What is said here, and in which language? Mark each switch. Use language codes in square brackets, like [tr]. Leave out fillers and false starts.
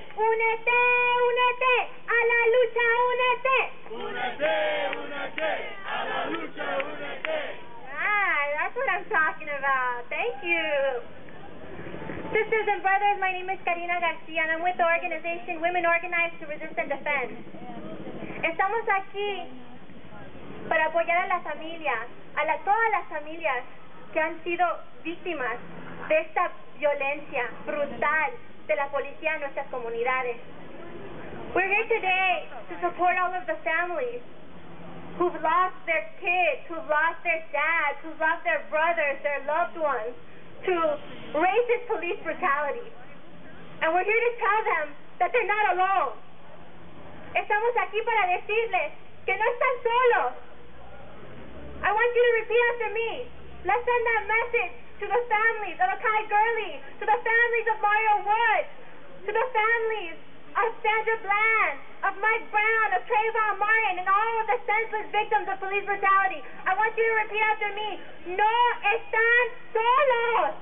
[es] Únete, únete a la lucha, únete. Únete, únete a la lucha, únete. [en] Ah, that's what I'm talking about. Thank you. Sisters and brothers, my name is Karina Garcia, and I'm with the organization Women Organized to Resist and Defend. [es] Estamos aquí para apoyar a la familia, a todas las familias que han sido víctimas de esta violencia brutal de la policía en nuestras comunidades. [en] We're here today to support all of the families who've lost their kids, who've lost their dads, who've lost their brothers, their loved ones, to racist police brutality. And we're here to tell them that they're not alone. [es] Estamos aquí para decirles que no están solos. [en] I want you to repeat after me. Let's send that message to the families of Akai Gurley, to the families of Mario Woods, to the families of Sandra Bland, of Mike Brown, of Trayvon Martin, and all of the senseless victims of police brutality. I want you to repeat after me. [es] No están solos.